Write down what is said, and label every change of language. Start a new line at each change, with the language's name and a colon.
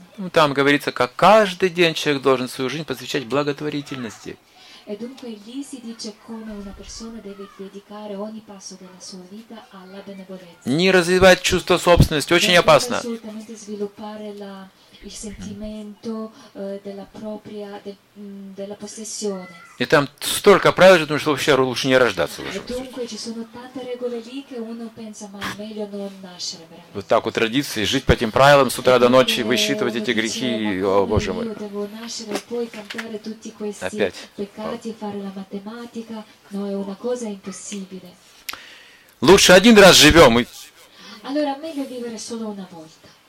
Russian: Там говорится, как каждый день человек должен свою жизнь посвящать благотворительности.
Italian: E dunque lì si dice come una persona deve dedicare ogni passo della sua vita alla benevolenza.
Russian: Не развивать чувство собственности очень опасно.
Italian: Assolutamente sviluppare il sentimento della propria della possessione.
Russian: И там столько правил, что думаешь, вообще лучше не рождаться.
Italian: Dunque ci sono tante regole lì che uno pensa ma meglio non nascere.
Russian: Вот так у традиции жить по этим правилам с утра до ночи, высчитывать эти грехи, о Боже мой.
Italian: Devo nascere e poi cantare tutti questi peccati, fare la matematica, no, è una cosa impossibile.
Russian: Лучше один раз живем.
Italian: Allora meglio vivere solo una volta.